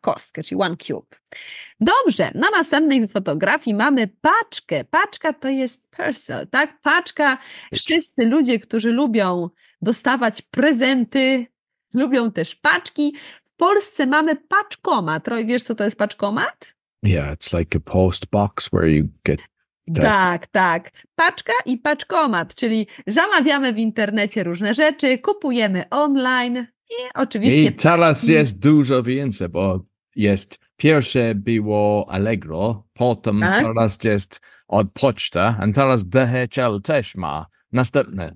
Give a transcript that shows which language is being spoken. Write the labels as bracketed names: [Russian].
[Polish] Kostkę, czyli [English] one cube. [Polish] Dobrze, na następnej fotografii mamy paczkę. Paczka to jest parcel, tak? Paczka, wszyscy ludzie, którzy lubią dostawać prezenty, lubią też paczki. W Polsce mamy paczkomat. Roy, wiesz, co to jest paczkomat? [English] Yeah, it's like a post box where you get... [Polish] Tak, tak. Paczka i paczkomat, czyli zamawiamy w internecie różne rzeczy, kupujemy online i oczywiście... I teraz jest dużo więcej, bo jest... Pierwsze było Allegro, potem tak? Teraz jest od poczta, a teraz DHL też ma następne.